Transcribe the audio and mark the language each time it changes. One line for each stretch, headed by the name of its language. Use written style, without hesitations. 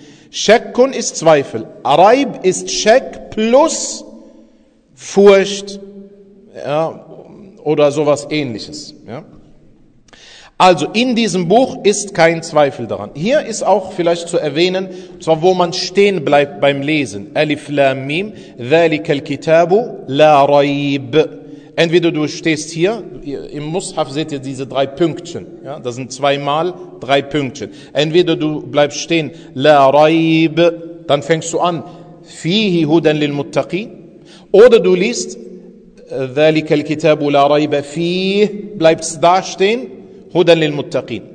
German: Shakun ist Zweifel, Raib ist Shak plus Furcht, ja, oder sowas ähnliches. Ja. Also in diesem Buch ist kein Zweifel daran. Hier ist auch vielleicht zu erwähnen, zwar wo man stehen bleibt beim Lesen.
Arabic: Alif Lam Mim, ذلك الكتاب لا ريب.
German: Entweder du stehst hier, im Mushaf seht ihr diese drei Pünktchen. Ja, das sind zweimal drei Pünktchen. Entweder du bleibst stehen,
Arabic: لا ريب,
German: dann fängst du an,
Arabic: فيه هدى للمتقين.
German: Oder du liest,
Arabic: ذلك الكتاب لا ريب فيه,
German: bleibst da stehen.
Arabic: Hudan lil Muttaqin.